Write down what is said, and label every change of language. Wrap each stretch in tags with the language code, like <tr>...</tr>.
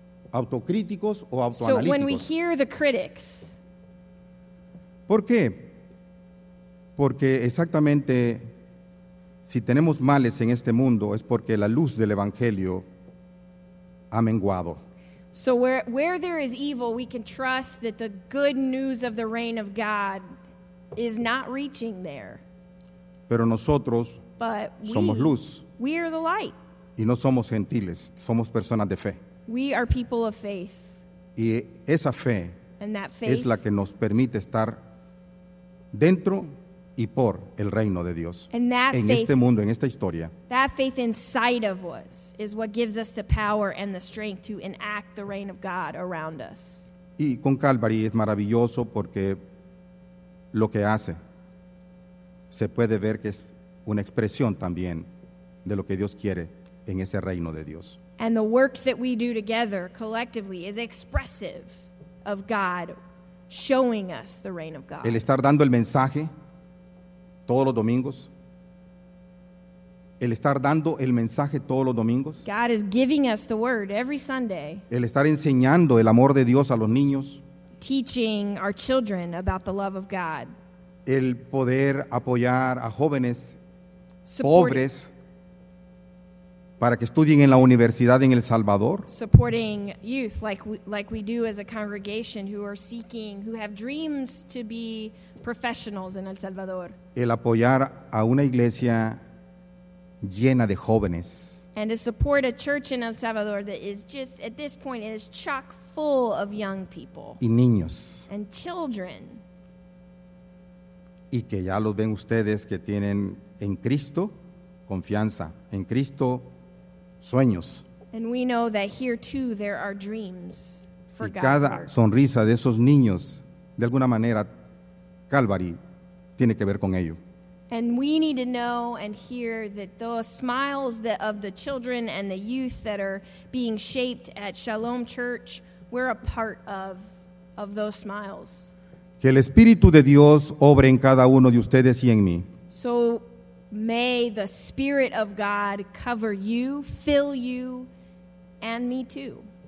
<es>Autocríticos o autoanalíticos.</es> <en>So when we hear the critics.</en> <es>¿Por qué? Porque exactamente si tenemos males en este mundo es porque la luz del Evangelio ha menguado.</es> <en>So where there is evil, we can trust that the good news of the reign of God is not reaching there.</en> <es>Pero nosotros</es> <en>But</en> <es>somos</es> <en>we,</en> <es>luz.</es> <en>We are the light.</en> <es>Y no somos gentiles, somos personas de fe.</es> <en>We are people of faith.</en> <es>Y esa fe</es> <en>And that faith</en> <es>es la que nos permite estar dentro y por el reino de Dios.</es> <en>And that</en> <es>en</es> <en>faith,</en> <es>este mundo, en esta historia.</es> <en>That faith inside of us is what gives us the power and the strength to enact the reign of God around us.</en> <es>Y con Calvary es maravilloso porque lo que hace se puede ver que es una expresión también de lo que Dios quiere en ese reino de Dios.</es> <en>And the work that we do together collectively is expressive of God showing us the reign of God.</en> <es>El estar dando el mensaje todos los domingos. El estar dando el mensaje todos los domingos.</es> <en>God is giving us the word every Sunday.</en> <es>El estar enseñando el amor de Dios a los niños.</es> <en>Teaching our children about the love of God.</en> <es>El poder apoyar a jóvenes pobres para que estudien en la universidad en El Salvador.</es> <en>Supporting youth like we do as a congregation who are seeking, who have dreams to be professionals in El Salvador.</en> <es>El apoyar a una iglesia llena de jóvenes.</es> <en>And to support a church in El Salvador that is just, at this point, it is chock full of young people.</en> <es>Y niños.</es> <en>And children.</en> <es>Y que ya los ven ustedes que tienen en Cristo confianza, en Cristo sueños.</es> <en>And we know that here too there are dreams for</en> <es>God. Y cada sonrisa de esos niños, de alguna manera, Calvary tiene que ver con ello.</es> <en>And we need to know and hear that those smiles that of the children and the youth that are being shaped at Shalom Church, we're a part of those smiles.</en> <es>Que el Espíritu de Dios obre en cada uno de ustedes y en mí.</es> <en>So may the Spirit of God cover you, fill you, and me too.</en>